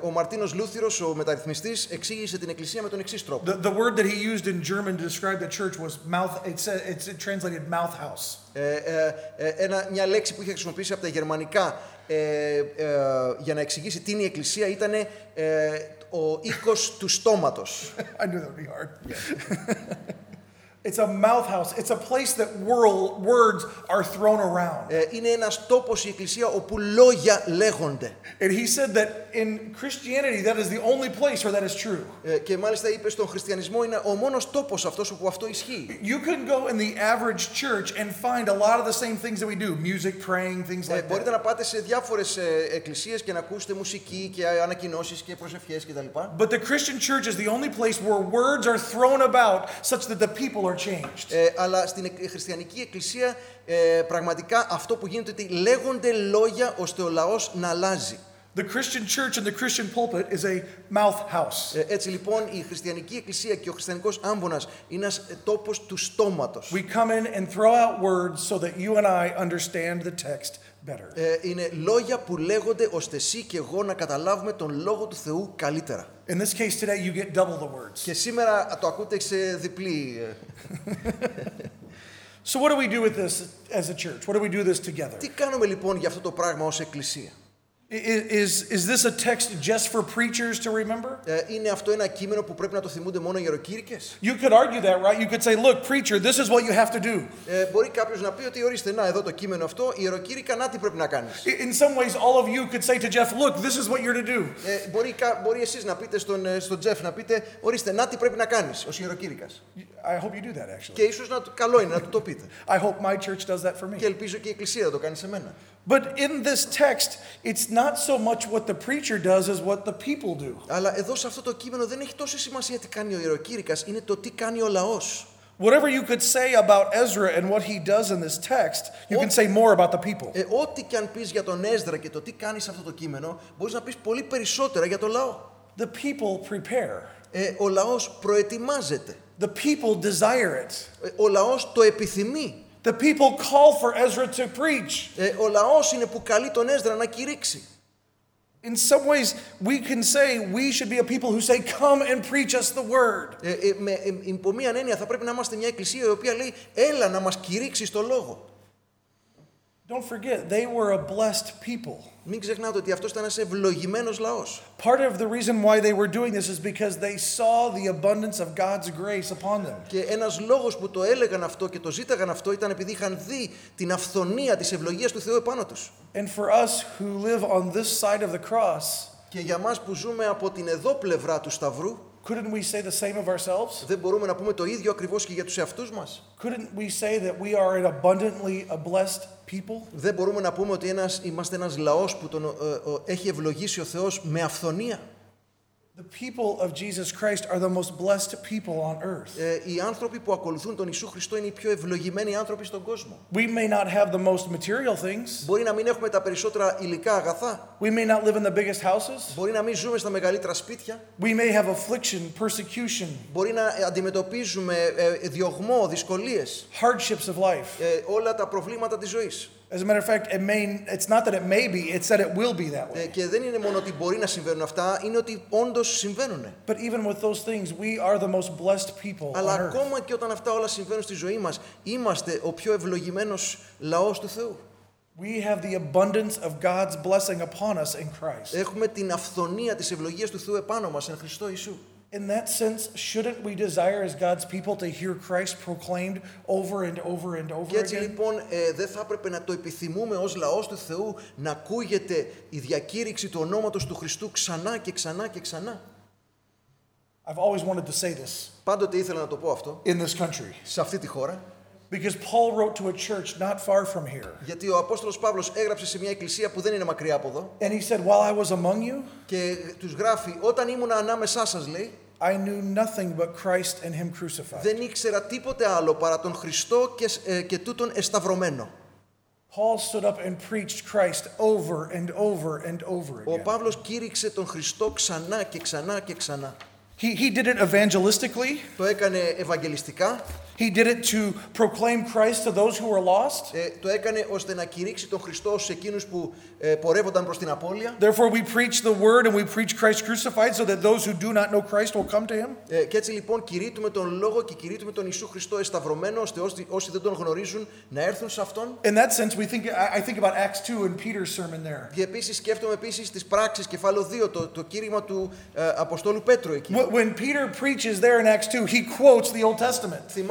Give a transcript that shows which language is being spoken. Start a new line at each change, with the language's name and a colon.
Greek: Ο Μαρτίνος Λούθυρος, ο μεταρρυθμιστής, εξήγησε την εκκλησία με τον εξής τρόπο.
English: The word that he used in German to describe the church was mouth. It's translated mouth house.
Greek: Μια λέξη που είχε χρησιμοποιήσει από τα γερμανικά για να εξηγήσει τι είναι η εκκλησία ήταν ο οίκος του στόματος.
English: I knew that would be hard. It's a mouth house. It's a place that words are thrown around.
Greek: Είναι ένας τόπος η εκκλησία όπου λόγια λέγονται.
English: And he said that in Christianity that is the only place where that is true.
Greek: Και μάλιστα είπε στον χριστιανισμό είναι ο μόνος τόπος αυτός όπου αυτό ισχύει.
English: You can go in the average church and find a lot of the same things that we do, music, praying, things like that.
Greek: Μπορείτε να πάτε σε διάφορες εκκλησίες και να ακούσετε μουσική και ανακοινώσεις και προσευχές κτλ.
English: But the Christian church is the only place where words are thrown about such that the people are changed.
Greek: Αλλά στην χριστιανική εκκλησία πραγματικά αυτό που γίνεται ότι λέγονται λόγια ώστε ο λαός να αλλάζει.
English: The Christian church and the Christian pulpit is a mouth house.
Greek: Έτσι λοιπόν η χριστιανική εκκλησία και ο χριστιανικός άμβωνας είναι ένας τόπος του στόματος.
English: We come in and throw out words so that you and I understand the text better.
Greek: Είναι λόγια που λέγονται ώστε εσύ και εγώ να καταλάβουμε τον λόγο του Θεού καλύτερα.
English: In this case today you get double the words.
Greek: Και σήμερα το ακούτε σε διπλή.
English: So what do we do with this as a church? What do we do this together?
Greek: Τι κάνουμε λοιπόν για αυτό το πράγμα ως εκκλησία;
English: Is this a text just for preachers to remember?
Greek: Είναι αυτό ένα κείμενο που πρέπει να το θυμούνται μόνο οι ιεροκήρυκες;
English: You could argue that, right? You could say, look, preacher, this is what you have to do.
Greek: Μπορεί κάποιος να πει ότι ορίστε, να εδώ το κείμενο αυτό, ιεροκήρυκα, να τι πρέπει να κάνεις.
English: In some ways, all of you could say to Jeff, look, this is what you're to do.
Greek: Μπορεί εσείς να πείτε στον Jeff, να πείτε, ορίστε, να τι πρέπει να κάνεις, ως ιεροκήρυκας.
English: I hope you do that, actually.
Greek: Και ίσως καλό είναι να το πείτε.
English: I hope my church does that for me.
Greek: Και ελπίζω και η εκκλησία το κάνει σε μένα.
English: But in this text, it's not so much what the preacher does as what the people do.
Greek: Αλλά εδώ σε αυτό το κείμενο δεν έχει τόσο σημασία τι κάνει ο ιεροκήρυκας, είναι το τι κάνει ο λαός.
English: Whatever you could say about Ezra and what he does in this text, you can say more about the people.
Greek: Ό,τι και αν πεις για τον Έζρα και το τι κάνει σε αυτό το κείμενο, μπορείς να πεις πολύ περισσότερα για το λαό.
English: The people prepare.
Greek: Ο λαός προετοιμάζεται.
English: The people desire it.
Greek: Ο λαός το επιθυμεί.
English: The people call for Ezra to preach.
Greek: Ο λαός είναι που καλεί τον Έζρα να κηρύξει.
English: In some ways, we can say we should be a people who say, "Come and preach us the word."
Greek: Υπό μία έννοια, θα πρέπει να είμαστε μια εκκλησία η οποία λέει, "Έλα να μας κηρύξεις το λόγο."
English: Don't forget, they were a blessed people.
Greek: Μην ξεχνάτε ότι αυτός ήταν ένας ευλογημένος λαός.
English: Part of the reason why they were doing this is because they saw the abundance of God's grace upon them.
Greek: Και ένας λόγος που το έλεγαν αυτό και το ζήταγαν αυτό ήταν επειδή είχαν δει την αυθονία της ευλογίας του Θεού επάνω τους.
English: And for us who live on this side of the cross,
Greek: και για μας που ζούμε από την εδώ πλευρά του Σταυρού,
English: couldn't we say the same of ourselves?
Greek: Δεν μπορούμε να πούμε το ίδιο ακριβώς και για τους εαυτούς μας?
English: Couldn't we say that we are an abundantly a blessed people?
Greek: Δεν μπορούμε να πούμε ότι είμαστε ένας λαός που τον έχει ευλογήσει ο Θεός με αυθονία?
English: The people of Jesus Christ are the most blessed people on earth.
Greek: Οι άνθρωποι που ακολουθούν τον Ιησού Χριστό είναι οι πιο ευλογημένοι άνθρωποι στον κόσμο.
English: We may not have the most material things.
Greek: Μπορεί να μην έχουμε τα περισσότερα υλικά αγαθά.
English: We may not live in the biggest houses.
Greek: Μπορεί να μην ζούμε στα μεγαλύτερα σπίτια.
English: We may have affliction, persecution.
Greek: Μπορεί να αντιμετωπίζουμε διωγμό, δυσκολίες.
English: Hardships of life.
Greek: Όλα τα προβλήματα της ζωής.
English: As a matter of fact, it's not that it may be, it's that it will be that way.
Greek: Και δεν είναι μόνο ότι μπορεί να συμβαίνουν αυτά, είναι ότι όντως συμβαίνουν.
English: But even with those things, we are the most blessed people on earth.
Greek: Αλλά ακόμα και όταν αυτά όλα συμβαίνουν στη ζωή μας, είμαστε ο πιο ευλογημένος λαός του Θεού.
English: We have the abundance of God's blessing upon us in Christ.
Greek: Έχουμε την αυθονία της ευλογίας του Θεού επάνω μας, εν Χριστώ Ιησού.
English: In that sense, shouldn't we desire as God's people to hear Christ proclaimed over and over and over again?
Greek: Και έτσι λοιπόν, δεν θα έπρεπε να το επιθυμούμε ως λαός του Θεού να ακούγεται η διακήρυξη του ονόματος του Χριστού ξανά και ξανά και ξανά.
English: I've always wanted to say this.
Greek: Πάντοτε ήθελα να το πω αυτό.
English: In this country.
Greek: Σε αυτή τη χώρα.
English: Because Paul wrote to a church not far from here.
Greek: Γιατί ο Απόστολος Παύλος έγραψε σε μια εκκλησία που δεν είναι μακριά από εδώ.
English: And he said, while I was among you,
Greek: και τους γράφει, όταν ήμουν ανάμεσά σας, λέει,
English: I knew nothing but Christ and Him crucified.
Greek: Δεν ήξερα τίποτε άλλο παρά τον Χριστό και τούτον εσταυρωμένο.
English: Paul stood up and preached Christ over and over and over again.
Greek: Ο Παύλος κήρυξε τον Χριστό ξανά και ξανά και ξανά.
English: He did it evangelistically.
Greek: Το έκανε ευαγγελιστικά.
English: He did it to proclaim Christ to those who were lost.
Greek: Το έκανε ώστε να κηρύξει τον Χριστό σε εκείνους που πορεύονταν προς την απώλεια.
English: Therefore we preach the word and we preach Christ crucified so that those who do not know Christ will come to him.
Greek: Και έτσι λοιπόν κηρύττουμε τον λόγο και κηρύττουμε τον Ιησού Χριστό εσταυρωμένο ώστε όσοι δεν τον γνωρίζουν να έρθουν σε αυτόν.
English: In that sense I think about Acts 2 and Peter's sermon there.
Greek: Και επίσης σκέφτομαι επίσης τις Πράξεις κεφάλαιο 2 το κήρυγμα του Αποστόλου Πέτρου εκεί.
English: When Peter preaches there in Acts 2 he quotes the Old Testament.